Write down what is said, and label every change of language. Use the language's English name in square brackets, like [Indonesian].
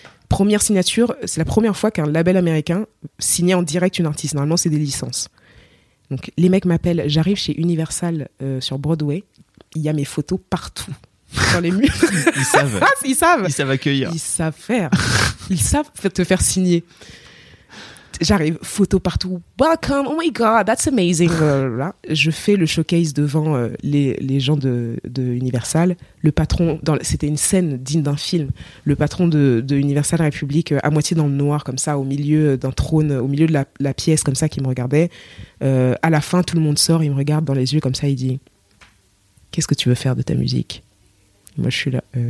[French] Première signature, c'est la première fois qu'un label américain signait en direct une artiste. Normalement, c'est des licences. Donc, les mecs m'appellent, j'arrive chez Universal sur Broadway. Il y a mes photos partout. Dans les murs. Ils savent. Ils savent. Ils savent accueillir. Ils savent faire. Ils savent te faire signer. J'arrive, photo partout. [English] Welcome, oh my god, that's amazing. [French] Je fais le showcase devant les gens de Universal. Le patron, c'était une scène digne d'un film. Le patron de Universal République, à moitié dans le noir, comme ça, au milieu d'un trône, au milieu de la pièce, comme ça, qui me regardait. À la fin, tout le monde sort, il me regarde dans les yeux, comme ça, il dit qu'est-ce que tu veux faire de ta musique ? Moi, je suis là.